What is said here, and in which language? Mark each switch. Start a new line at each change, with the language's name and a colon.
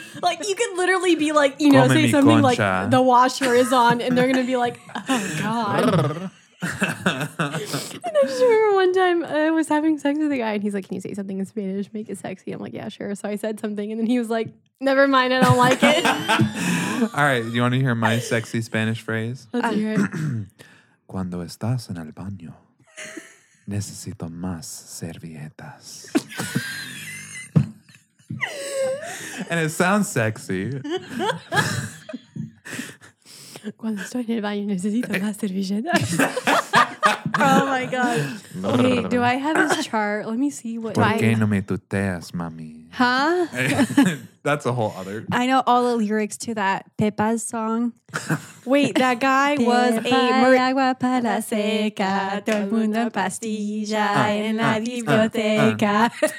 English: Like, you could literally be like, you know, say something like the washer is on and they're going to be like, oh, God. And I just remember one time I was having sex with a guy and he's like, can you say something in Spanish? Make it sexy. I'm like, yeah, sure. So I said something and then he was like, never mind. I don't like it. All right. You want to hear my sexy Spanish phrase? Let's hear it.
Spanish: Cuando estás en el baño, necesito más servilletas.
English: And it sounds sexy.
Spanish: Cuando estoy en el baño, necesito más servilletas.
English: Oh, my God. Okay, do I have this chart? Let me see what
Spanish: ¿Por qué no me tuteas, mami?
English: Huh? That's a whole other. I know all the lyrics to that Pepa's song. Wait, that guy was a
Spanish: agua para la seca, todo el mundo en pastilla en la biblioteca.